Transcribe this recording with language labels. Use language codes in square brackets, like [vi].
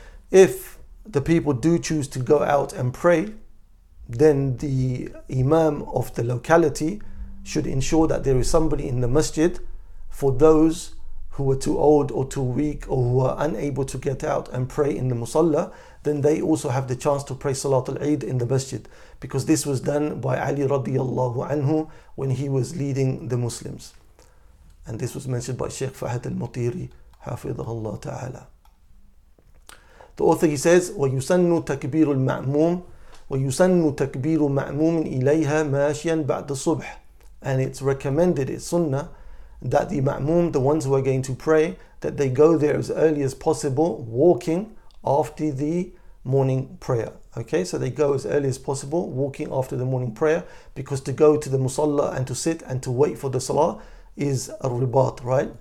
[en] If the people do choose to go out and pray, then the Imam of the locality should ensure that there is somebody in the masjid for those who are too old or too weak or who are unable to get out and pray in the Musalla. Then they also have the chance to pray Salatul Eid in the masjid, because this was done by Ali radiallahu anhu when he was leading the Muslims. And this was mentioned by Sheikh Fahad al-Mutiri, hafidhahullah ta'ala. The author, he says, [ar] وَيُسَنُّ تَكْبِيرُ الْمَعْمُومِ وَيُسَنُّ تَكْبِيرُ مَعْمُومٍ إِلَيْهَا مَاشِيًا بَعْدَ الصُّبْحِ. [en] And it's recommended, it's sunnah, that the ma'moom, the ones who are going to pray, that they go there as early as possible, walking after the morning prayer. Okay, so they go as early as possible, walking after the morning prayer, because to go to the musalla and to sit and to wait for the salah is al-ribat, right?